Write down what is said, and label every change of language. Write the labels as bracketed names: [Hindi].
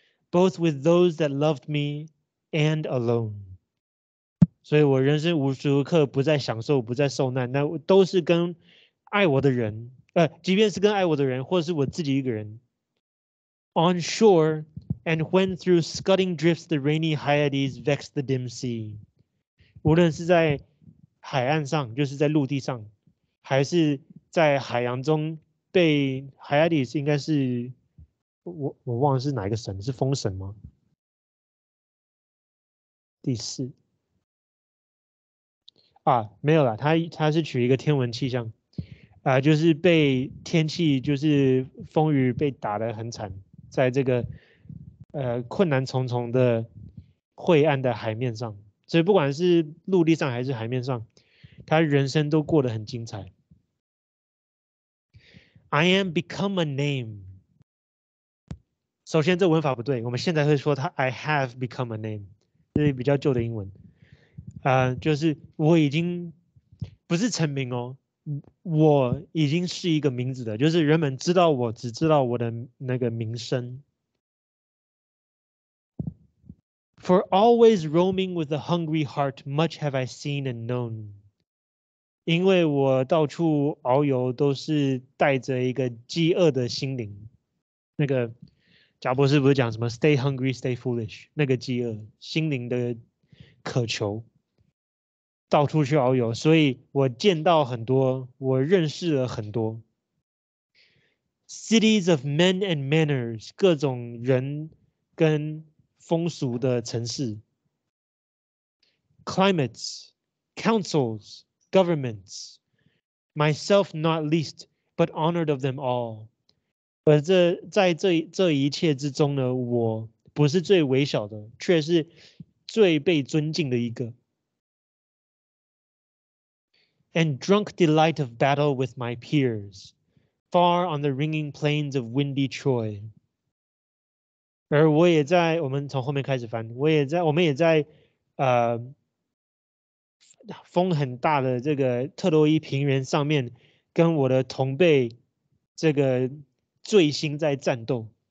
[English] Both with those that loved me and alone. [Chinese] 所以我人生无时无刻不在享受，不在受难，那都是跟爱我的人，即便是跟爱我的人，或是我自己一个人。 [English] On shore, and when through scudding drifts the rainy Hyades vexed the dim sea. [Chinese] 无论是在海岸上，就是在陆地上，还是在海洋中被 Hyades 应该是我忘了是哪一个神，是风神吗？第四啊，没有啦，他是取一个天文气象啊，就是被天气，就是风雨被打得很惨，在这个困难重重的晦暗的海面上，所以不管是陆地上还是海面上，他人生都过得很精彩。 [English] I am become a name. [Chinese] 首先，这文法不对。我们现在会说他 [English] "I have become a name"， [Chinese] 这是比较旧的英文。就是我已经不是成名哦，我已经是一个名字的，就是人们知道我，只知道我的那个名声。 [English] For always roaming with a hungry heart, much have I seen and known。 [Chinese] 因为我到处遨游，都是带着一个饥饿的心灵，那个。贾博士不是讲什么 [English] "Stay hungry, stay foolish"， [Chinese] 那个饥饿心灵的渴求，到处去遨游，所以我见到很多，我认识了很多 [English] cities of men and manners， [Chinese] 各种人跟风俗的城市 ， [English] climates, councils, governments, myself not least, but honored of them all。 [Chinese] 而这在 这一切之中呢，我不是最微小的，却是最被尊敬的一个。 [English] And drunk delight of battle with my peers, far on the ringing plains of windy Troy. [Chinese] 而我也在，我们从后面开始翻，我们也在风很大的这个特洛伊平原上面，跟我的同辈这个。最新在战斗。